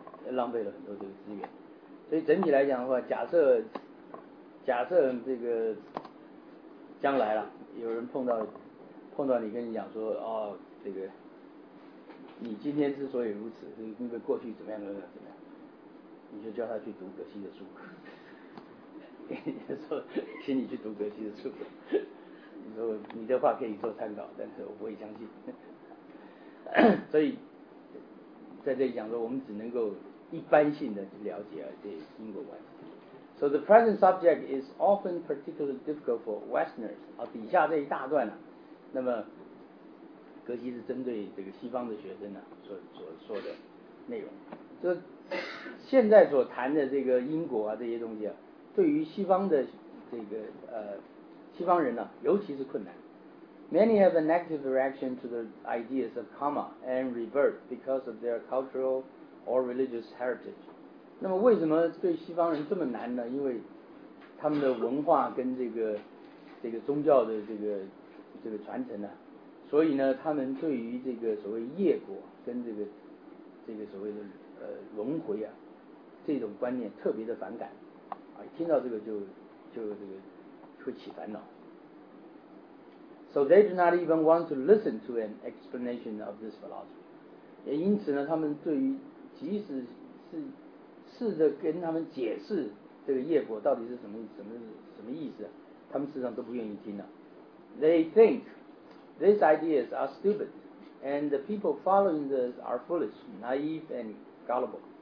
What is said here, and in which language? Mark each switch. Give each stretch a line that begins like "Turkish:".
Chinese: 浪费了很多这个资源，所以整体来讲的话，假设这个将来了，有人碰到你跟你讲说，哦，这个你今天之所以如此，是因为过去怎么样怎么样怎么样，你就叫他去读葛西的书，说请你去读葛西的书，你说你的话可以做参考，但是我不会相信，所以。在这里讲说，我们只能够一般性的去了解这因果关系。
English: So the present subject is often particularly difficult for Westerners。
Chinese: 啊，底下这一大段呢、啊，那么格西是针对这个西方的学生呢、啊、所说的内容，就现在所谈的这个因果啊这些东西啊，对于西方的这个西方人呢、啊，尤其是困难。
English: Many have a negative reaction to the ideas of karma and rebirth because of their cultural or religious heritage.
Chinese: 那么为什么对西方人这么难呢？因为他们的文化跟这个宗教的这个传承呢、啊，所以呢，他们对于这个所谓业果跟这个所谓的轮回啊这种观念特别的反感啊，听到这个就这个会起烦恼。
English: So they do not even want to listen to an explanation of this philosophy.
Chinese: 也因此呢，他们对于即使是试着跟他们解释这个业果到底是什么意思，他们事实上都不愿意听了。
English: They think these ideas are stupid, and the people following this are foolish, naive, and gullible.